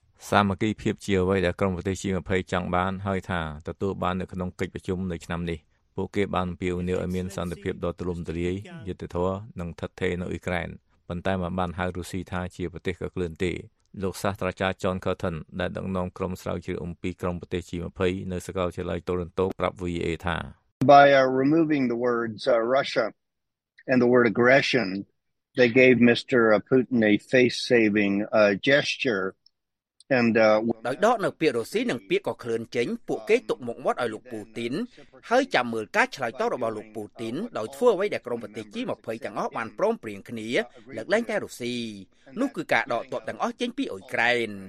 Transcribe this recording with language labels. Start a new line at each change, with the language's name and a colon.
Khmer: សាមគ្គីភាពជាអ្វីដែលក្រុមប្រទេសជា20ចង់បានហើយថាទទួលបាននៅក្នុងកិច្ចប្រជុំនៅឆ្នាំនេះពួកគេបានអំពាវនាវឲ្យមានសន្តិភាពដ៏ទូលំទូលាយយុត្តិធម៌និងឋិតថេរនៅអ៊ុយក្រែនប៉ុន្តែមិនបានហៅរុស្ស៊ីថាជាប្រទេសក៏ក្លឿនទេលោកសាស្ត្រាចារ្យ John Curtin ដែលដឹកនាំក្រុមស្រាវជ្រាវអំពីក្រុមប្រទេស G20 នៅសាកលវិទ្យាល័យ Toronto ប្រាប់ VOA ថា
English: By removing the words Russia and the word aggression they gave Mr. Putin a face saving gesture and
Khmer: ដោយដកនៅពាក្យរុស្ស៊ីនិងពាក្យក៏ខ្លួនចេញពួកគេទុកមុខមាត់ឲ្យលោកពូទីនហើយចាំមើលការឆ្លើយតបរបស់លោកពូទីនដោយធ្វើឲ្យដែរក្រុមប្រទេស G20 ទាំងអស់បានព្រមព្រៀងគ្នាលើកលែងតែរុស្ស៊ីនោះគឺការដកទ័ពទាំងអស់ចេញពីអ៊ុយក្រែន